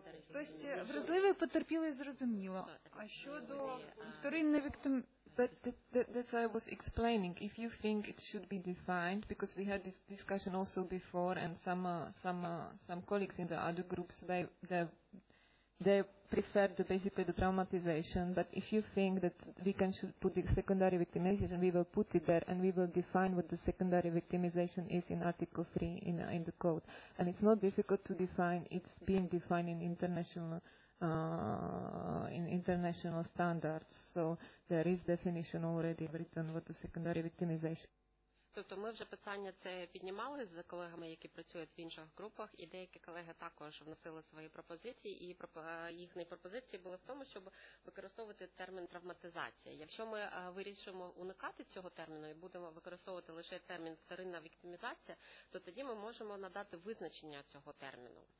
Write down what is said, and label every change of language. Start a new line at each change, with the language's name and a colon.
Ukrainian: Тобто вразливий потерпілий зрозуміло. А щодо вторинної віктимізації?
English: That's what I was explaining. If you think it should be defined, because we had this discussion also before, and some colleagues in the other groups, they prefer the basically the traumatization, but if you think that we can should put the secondary victimization, we will put it there and we will define what the secondary victimization is in Article 3 in the code. And it's not difficult to define, it's being defined in international standards. So there is definition already written what the secondary victimization is.
Ukrainian: Тобто ми вже питання це піднімали з колегами, які працюють в інших групах, і деякі колеги також вносили свої пропозиції, і їхні пропозиції були в тому, щоб використовувати термін травматизація. Якщо ми вирішимо уникати цього терміну і будемо використовувати лише термін вторинна віктимізація, то тоді ми можемо надати визначення цього терміну.